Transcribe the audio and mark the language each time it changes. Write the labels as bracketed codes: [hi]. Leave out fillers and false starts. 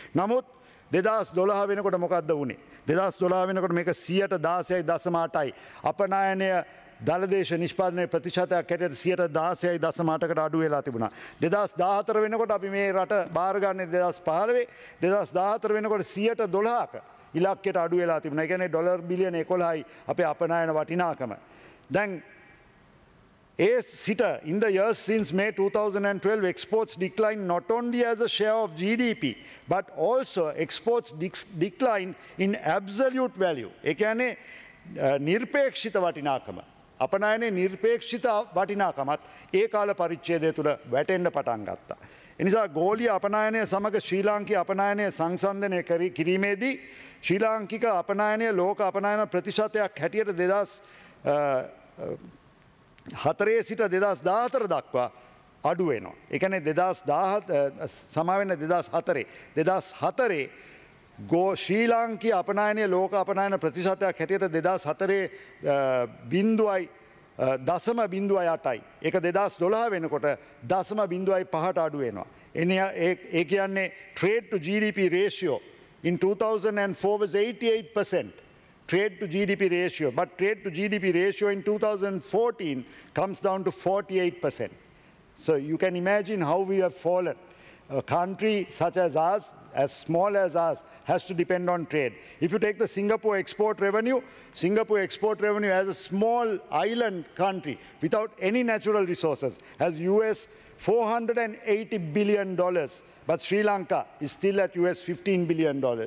[si] නමුත් 2012 වෙනකොට මොකද්ද වුනේ? 2012 වෙනකොට මේක 116.8යි අපනායනය දළදේශ නිෂ්පාදනයේ ප්‍රතිශතයක් හැටියට 116.8කට අඩු වෙලා තිබුණා. 2014 වෙනකොට අපි මේ රට බාරගන්නේ 2015. 2014 වෙනකොට 112ක ඉලක්කයට අඩු වෙලා තිබුණා. ඒ කියන්නේ ඩොලර් බිලියන 11යි අපේ අපනායන වටිනාකම. දැන් ඒ සිට [en] in the years since May 2012 exports declined not only as a share of GDP but also exports declined in absolute value. [si] ඒ කියන්නේ නිර්පේක්ෂිත වටිනාකම අපනායනේ නිර්පේක්ෂිත වටිනාකමත් ඒ කාල පරිච්ඡේදය තුළ වැටෙන්න පටන් ගත්තා. එනිසා ගෝලීය අපනායනය සමග ශ්‍රී ලාංකික අපනායනය සංසන්දනය කිරීමේදී ශ්‍රී ලාංකික අපනායනය ලෝක අපනායන ප්‍රතිශතයක් හැටියට 2014 සිට 2014 දක්වා අඩු වෙනවා. ඒ කියන්නේ 2017 සමා වෙන 2004 2004 ගෝ ශ්‍රී ලාංකික අපනායනය ලෝක අපනායන ප්‍රතිශතයක් හැටියට 2004 බිඳුවයි දශම බිඳුවයි 8යි. ඒක 2012 වෙනකොට දශම බිඳුවයි 5ට අඩු වෙනවා. එනේ ඒ කියන්නේ [en] Trade to GDP ratio in 2004 was 88%. Trade to GDP ratio, but trade to GDP ratio in 2014 comes down to 48%. So you can imagine how we have fallen. A country such as ours, as small as ours, has to depend on trade. If you take the Singapore export revenue as a small island country without any natural resources, has US $480 billion, but Sri Lanka is still at US $15 billion.